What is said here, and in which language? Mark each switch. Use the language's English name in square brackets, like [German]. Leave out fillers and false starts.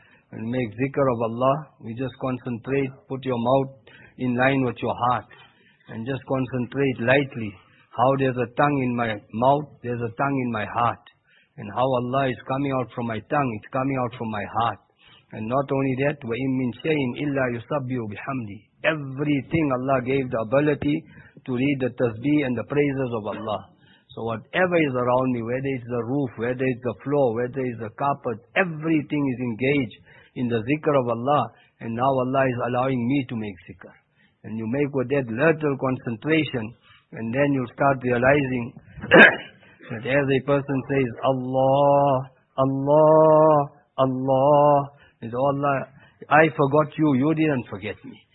[English] When we make zikr of Allah, we just concentrate, put your mouth in line with your heart, and just concentrate lightly. How there's a tongue in my mouth, there's a tongue in my heart. And how Allah is coming out from my tongue, it's coming out from my heart. And not only that, [Arabic] وَإِن مِّن شَيْءٍ إِلَّا يُصَبِّيُ بِحَمْدِي. [English] Everything Allah gave the ability to read the tasbih and the praises of Allah. So whatever is around me, whether it's the roof, whether it's the floor, whether it's the carpet, everything is engaged in the zikr of Allah. And now Allah is allowing me to make zikr. And you make with that little concentration, and then you start realizing that as a person says, Allah, Allah, Allah, is Allah, I forgot you, you didn't forget me.